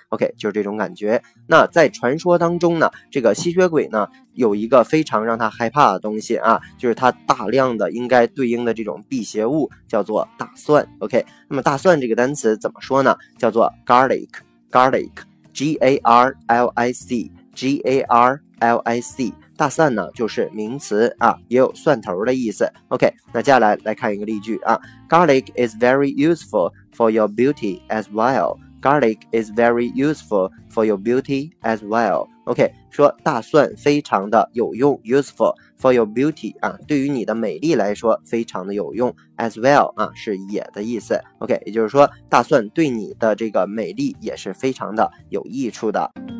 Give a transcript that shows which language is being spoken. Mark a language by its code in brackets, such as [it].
[zh] OK， 就是这种感觉。那在传说当中呢，这个吸血鬼呢有一个非常让他害怕的东西啊，就是他大量的应该对应的这种辟邪物叫做大蒜。 OK， 那么大蒜这个单词怎么说呢？叫做 garlic G-A-R-L-I-C G-A-R-L-I-C 大蒜呢就是名词啊，也有蒜头的意思。 OK， 那接下来来看一个例句啊。 [en] Garlic is very useful for your beauty as well. Garlic is very useful for your beauty as well. [zh] OK， 说大蒜非常的有用， [en] useful for your beauty [zh] 啊，对于你的美丽来说非常的有用。 As well 啊是也的意思。OK， 也就是说大蒜对你的这个美丽也是非常的有益处的。